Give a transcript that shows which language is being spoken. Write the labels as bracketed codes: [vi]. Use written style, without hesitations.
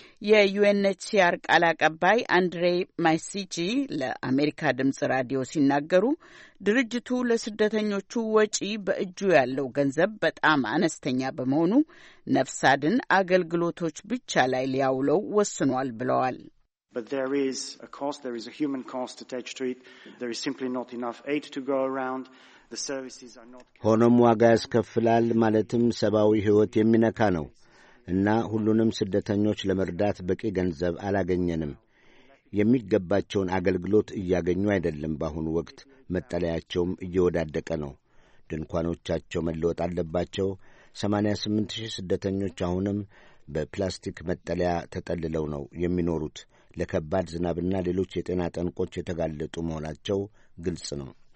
[am] የዩኤንኤችሲአር ቃል አቀባይ አንድሬ ማይሲቺ ለአሜሪካ ድምጽ ራዲዮ ሲናገሩ ድርጅቱ ለስደተኞቹ ወጪ በእጁ ያለው ገንዘብ በጣም አነስተኛ በመሆኑ ነፍስ አድን አገልግሎቶች ብቻ ላይ ሊያውለው ወስኗል ብለዋል። [en] But there is a cost, there is a human cost attached to it. There is simply not enough aid to go around. The services are not... [am] ሆኖም ዋጋ ያስከፍላል ማለትም ሰብአዊ ሕይወት የሚነካ ነው እና ሁሉንም ስደተኞች ለመርዳት በቂ ገንዘብ አላገኘንም። የሚገባቸውን አገልግሎት እያገኙ አይደለም። በአሁኑ ወቅት መጠለያቸውም እየወዳደቀ ነው። ድንኳኖቻቸው መለወጥ አለባቸው። 88,000 ስደተኞች አሁንም በፕላስቲክ መጠለያ ተጠልለው ነው የሚኖሩት። ለከባድ ዝናብና ሌሎች የጤና ጠንቆች የተጋለጡ መሆናቸው ግልጽ ነው።